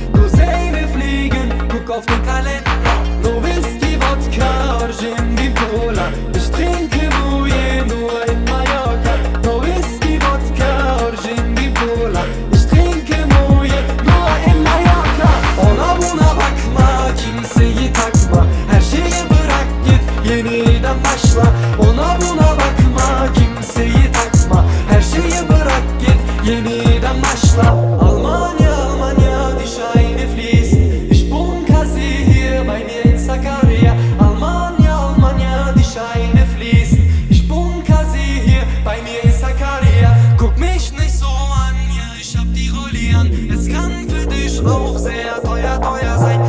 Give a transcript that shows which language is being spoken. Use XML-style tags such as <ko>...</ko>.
<de>Cousin, wir fliegen, guck auf den Kalender. No Whisky, Wodka, Gin, die Cola. Ich trinke Bouillé nur in Mallorca. No Whisky, Wodka, Gin, die Cola. Ich trinke Bouillé nur in Mallorca.</de> <tr>Ona buna bakma, kimseyi takma. Her şeyi bırak git, yeniden başla. Ona buna bakma, kimseyi takma. Her şeyi bırak git, yeniden başla.</tr> <de>Almanya, Almanya, dich eine Fließ. Ich bunker sie hier bei mir in Sakarya. Almanya, Almanya, dich eine Fließ. Ich bunker sie hier bei mir in Sakarya. Guck mich nicht so an, ja, ich hab die Rolli an. Es kann für dich auch sehr teuer, teuer sein.</de>